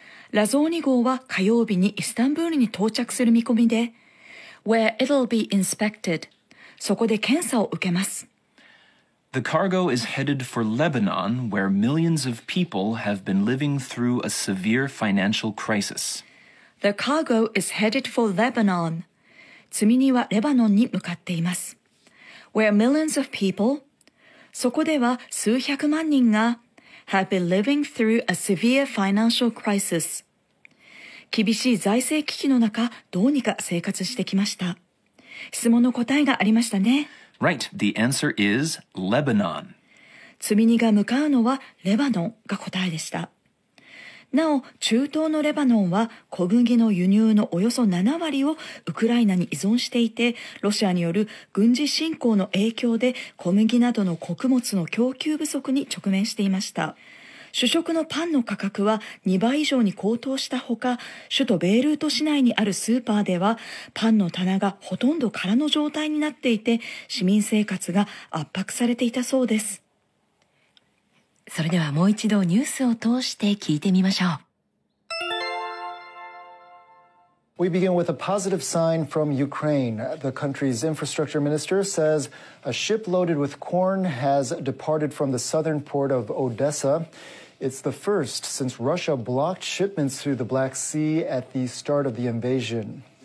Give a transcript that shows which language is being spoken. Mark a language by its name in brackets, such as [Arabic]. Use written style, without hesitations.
[Japanese] ラゾーニ号は火曜日にイスタンブールに到着する見込みで [English] Where it'll be inspected [Japanese] そこで検査を受けます [English] The cargo is headed for Lebanon where millions of people have been living through a severe financial crisis The cargo is headed for Lebanon [Japanese] 積み荷はレバノンに向かっています [English] Where millions of people [Japanese] そこでは数百万人が [English] Have been living through a severe financial crisis. [Japanese] 厳しい財政危機の中、どうにか生活してきました。質問の答えがありましたね。 [English] Right. The answer is Lebanon. [Japanese] 積み荷が向かうのはレバノンが答えでした。なお、中東のレバノンは小麦の輸入のおよそ7割をウクライナに依存していて、ロシアによる軍事侵攻の影響で小麦などの穀物の供給不足に直面していました。主食のパンの価格は2倍以上に高騰したほか、首都ベイルート市内にあるスーパーではパンの棚がほとんど空の状態になっていて、市民生活が圧迫されていたそうです。それではもう一度ニュースを通して聞いてみましょう。 [English] We begin with a positive sign from Ukraine. The country's infrastructure minister says a ship loaded with corn has departed from the southern port of Odesa. It's the first since Russia blocked shipments through the Black Sea at the start of the invasion.